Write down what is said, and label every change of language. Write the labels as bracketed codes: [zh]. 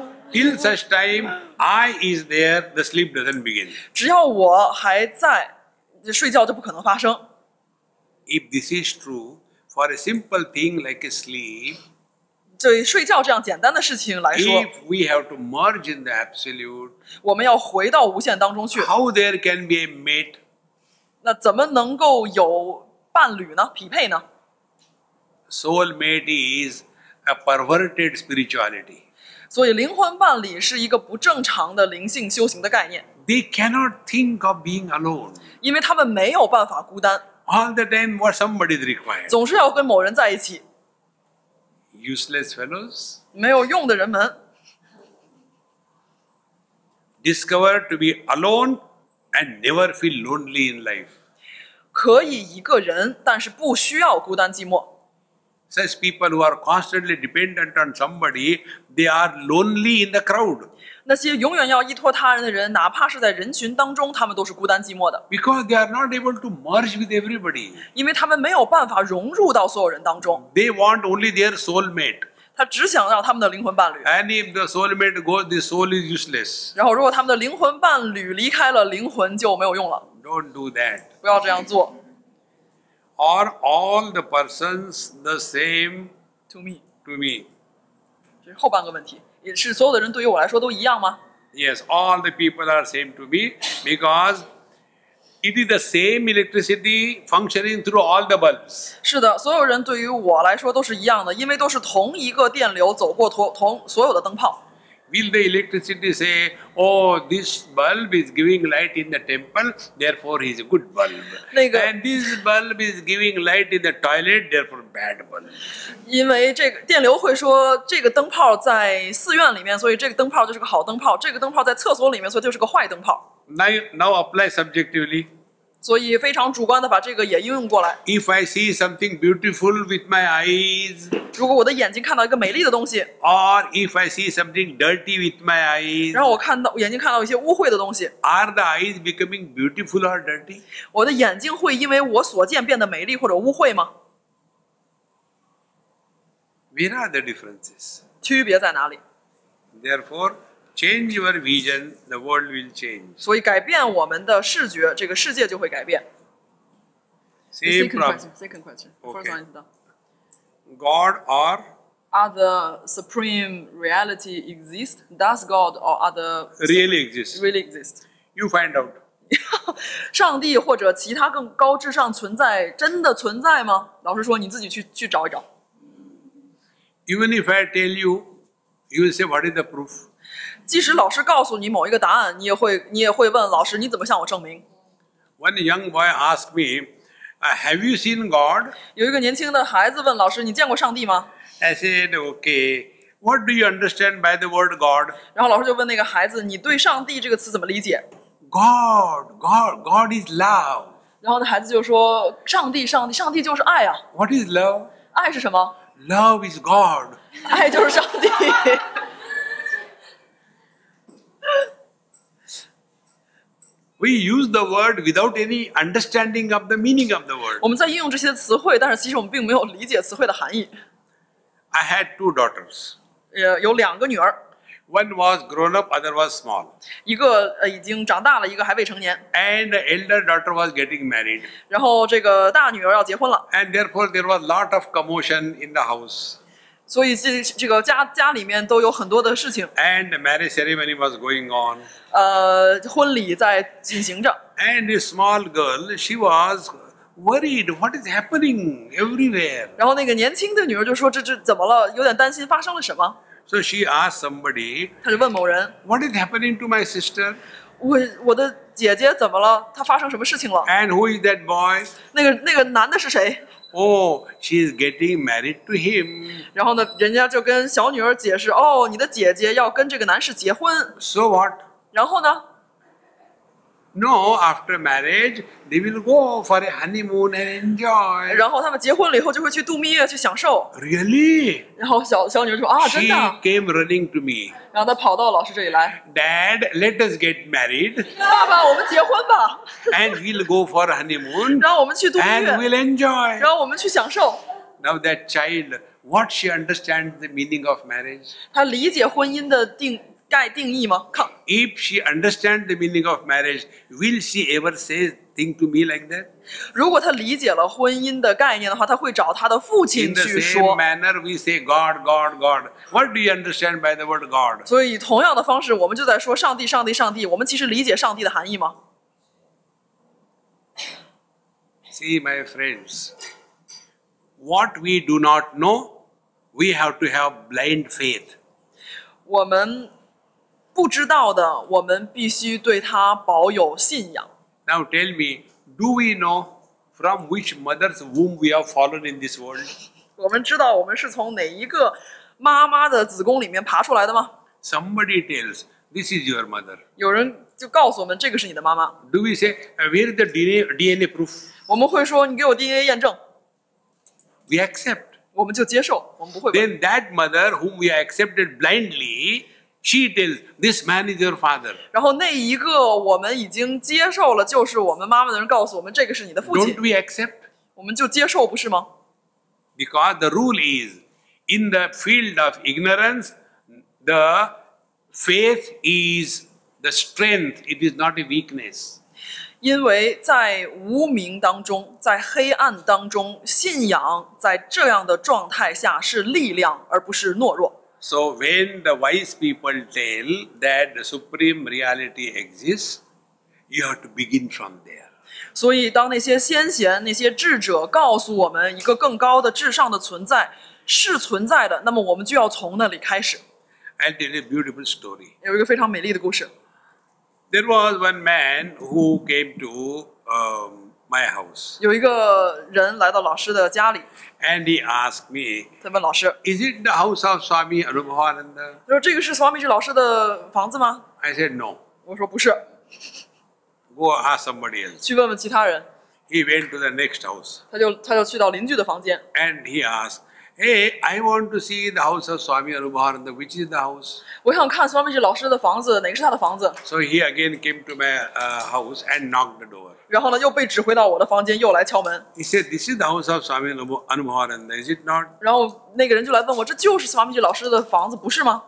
[en] Till such time, I is there, the sleep doesn't begin. [zh] 只要我还在，睡觉就不可能发生。 [en] If this is true for a simple thing like a sleep, [zh] 对睡觉这样简单的事情来说 [en] ，If we have to merge in the absolute, [zh] 我们要回到无限当中去。 [en] How there can be a mate? [zh] 那怎么能够有伴侣呢？匹配呢 [en] ？Soul mate is a perverted spirituality. [zh] 所以灵魂伴侣是一个不正常的灵性修行的概念。 [en] They cannot think of being alone. [zh] 因为他们没有办法孤单。 [en] All the time, what somebody is required. [zh] 总是要跟某人在一起。 [en] Useless fellows. [zh] 没有用的人们。 [en] Discover to be alone. And never feel lonely in life. [zh] 可以一个人，但是不需要孤单寂寞。 [en] Such people who are constantly dependent on somebody, they are lonely in the crowd. [zh] 那些永远要依托他人的人，哪怕是在人群当中，他们都是孤单寂寞的。 [en] Because they are not able to merge with everybody. [zh] 因为他们没有办法融入到所有人当中。 [en] They want only their soul mate. [zh] 他只想要他们的灵魂伴侣。 [en] And if the soulmate goes, the soul is useless. [zh] 然后，如果他们的灵魂伴侣离开了，灵魂就没有用了。 [en] Don't do that. [zh] 不要这样做。 [en] Are all the persons the same to me? To me. [zh] 这是后半个问题，也是所有的人对于我来说都一样吗 [en] ？Yes, all the people are same to me because it is the same electricity functioning through all the bulbs. [zh] 是的，所有人对于我来说都是一样的，因为都是同一个电流走过同所有的灯泡。 [en] Will the electricity say, "Oh, this bulb is giving light in the temple, therefore he's a good bulb"? [zh] 那个。 [en] And this bulb is giving light in the toilet, therefore bad bulb. [zh] 因为这个电流会说，这个灯泡在寺院里面，所以这个灯泡就是个好灯泡；这个灯泡在厕所里面，所以就是个坏灯泡。 [en] Now apply subjectively. [zh] 所以非常主观的把这个也应用过来。 [en] If I see something beautiful with my eyes, [zh] 如果我的眼睛看到一个美丽的东西 [en] ，or if I see something dirty with my eyes, [zh] 让我看到眼睛看到一些污秽的东西 [en] ，are the eyes becoming beautiful or dirty? [zh] 我的眼睛会因为我所见变得美丽或者污秽吗 [en] ？Where are the differences? [zh] 区别在哪里 [en] ？Therefore. Change your vision, the world will change. [zh] 所以改变我们的视觉，这个世界就会改变。 [en] Same second problem. Second question. First one is done. God or? Are the supreme reality exist? Does God or other really exist? Really exist. You find out. [zh] 上帝或者其他更高至上存在真的存在吗？老师说你自己去找一找。 [en] Even if I tell you, you will say, "What is the proof?" [zh] 即使老师告诉你某一个答案，你也会问老师你怎么向我证明 [en] ？One young boy asked me, "Have you seen God?" [zh] 有一个年轻的孩子问老师，你见过上帝吗 [en] ？I said, "Okay. What do you understand by the word God?" [zh] 然后老师就问那个孩子，你对上帝这个词怎么理解 [en] ？God is love. [zh] 然后那孩子就说，上帝就是爱啊。 [en] What is love? [zh] 爱是什么 [en] ？Love is God. [zh] 爱就是上帝。 [en] We use the word without any understanding of the meaning of the word. [zh] 我们在应用这些词汇，但是其实我们并没有理解词汇的含义。 [en] I had two daughters. [zh] 有两个女儿。 [en] One was grown up, other was small. [zh] 一个已经长大了，一个还未成年。 [en] And the elder daughter was getting married. [zh] 然后这个大女儿要结婚了。 [en] And therefore there was lot of commotion in the house. [zh] 所以这个家里面都有很多的事情。 [en] And the marriage ceremony was going on. [zh] 婚礼在进行着。 [en] And a small girl, she was worried. What is happening everywhere? [zh] 然后那个年轻的女儿就说：“这怎么了？有点担心，发生了什么？” [en] So she asked somebody. [zh] 她就问某人 [en] ：“What is happening to my sister?” [zh] 我的姐姐怎么了？她发生什么事情了 [en] ？”And who is that boy? [zh] 那个男的是谁？ [en] Oh, she is getting married to him. [zh] 然后呢，人家就跟小女儿解释：“哦，你的姐姐要跟这个男士结婚。” [en] So what? [zh] 然后呢 [en] ？No, after marriage, they will go for a honeymoon and enjoy. [zh] 然后他们结婚了以后就会去度蜜月去享受。 [en] Really? [zh] 然后小女儿说：“啊，真的。” [en] She came running to me. [zh] 然后她跑到老师这里来。 [en] Dad, let us get married. [zh] 爸爸，我们结婚吧。 [en] And we'll go for a honeymoon. [zh] 然后我们去度蜜月。 [en] And we'll enjoy. [zh] 然后我们去享受。 [en] Now that child, what she understands the meaning of marriage? [zh] 她理解婚姻的定义吗 [en] ？If she understands the meaning of marriage, will she ever say thing to me like that? [zh] 如果她理解了婚姻的概念的话，她会找她的父亲去说。 [en] In the same manner, we say God, God, God. What do you understand by the word God? [zh] 所以同样的方式，我们就在说上帝，上帝，上帝。我们其实理解上帝的含义吗 [en] ？See, my friends, what we do not know, we have to have blind faith. [zh] 我们不知道的，我们必须对他保有信仰。 [en] Now tell me, do we know from which mother's womb we have fallen in this world? [zh] 我们知道我们是从哪一个妈妈的子宫里面爬出来的吗 [en] ？Somebody tells, this is your mother. [zh] 有人就告诉我们，这个是你的妈妈。 [en] Do we say, where is the DNA proof? [zh] 我们会说，你给我 DNA 验证。 [en] We accept. [zh] 我们就接受，我们不会。 [en] Then that mother whom we accepted blindly. She tells this man is your father. [zh] 然后那一个我们已经接受了，就是我们妈妈的人告诉我们，这个是你的父亲。 [en] Don't we accept? [zh] 我们就接受，不是吗 [en] ？Because the rule is, in the field of ignorance, the faith is the strength. It is not a weakness. [zh] 因为在无明当中，在黑暗当中，信仰在这样的状态下是力量，而不是懦弱。 [en] So when the wise people tell that the supreme reality exists, you have to begin from there. [zh] 所以，当那些先贤、那些智者告诉我们一个更高的至上的存在是存在的，那么我们就要从那里开始。 [en] I'll tell you a beautiful story. [zh] 有一个非常美丽的故事。 [en] There was one man who came to my house. [zh] 有一个人来到老师的家里。 [en] And he asked me, [zh] 他问老师 [en] Is it the house of Swami Anubhavananda? [zh] 他说这个是 Swami 老师的房子吗 [en] I said, no. [zh] 我说不是 [en] Go ask somebody else. [zh] 去问问其他人 [en] He went to the next house. [zh] 他就去到邻居的房间 [en] And he asked, hey, I want to see the house of Swami Anubhavananda. Which is the house? [zh] 我想看 Swami 老师的房子哪个是他的房子 [en] So he again came to my house and knocked the door. [zh] 然后呢，又被指挥到我的房间，又来敲门。 [en] He said, "This is the house of Swami Anubhavananda, is it not?" [zh] 然后那个人就来问我，这就是 Swami 老师的房子，不是吗